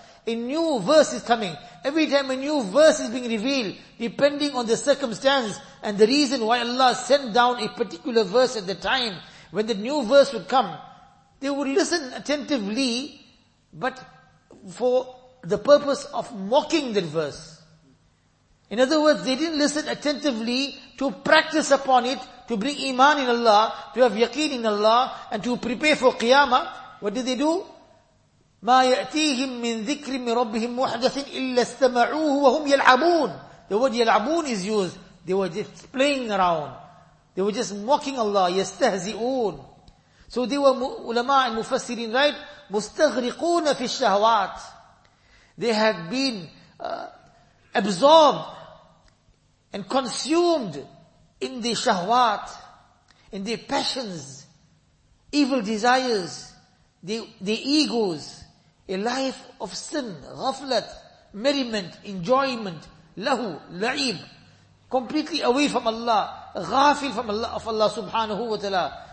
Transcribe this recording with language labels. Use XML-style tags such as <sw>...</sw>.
<en>A new verse is coming. Every time a new verse is being revealed, depending on the circumstance and the reason why Allah sent down a particular verse at the time, when the new verse would come, they would listen attentively, but for the purpose of mocking that verse. In other words, they didn't listen attentively to practice upon it, to bring iman in Allah, to have yaqeen in Allah, and to prepare for qiyamah. What did they do?</en> <ar>مَا يَأْتِيهِمْ مِنْ ذِكْرٍ مِنْ رَبِّهِمْ مُحْدَثٍ إِلَّا اسْتَمَعُوهُ وَهُمْ يَلْعَبُونَ.</ar> <en>The word يلعبون is used. They were just playing around. They were just mocking Allah.</en> <ar>يَسْتَهْزِئُونَ.</ar> <en>So they were ulama and mufassirin, right?</en> <ar>مُسْتَغْرِقُونَ فِي الشَّهَوَاتِ.</ar> <en>They had been absorbed and consumed in the shahwat, in the passions, evil desires, the egos, a life of sin, ghaflat, merriment, enjoyment, lahu, la'ib, completely away from Allah, ghafil from Allah, of Allah subhanahu wa ta'ala.</en>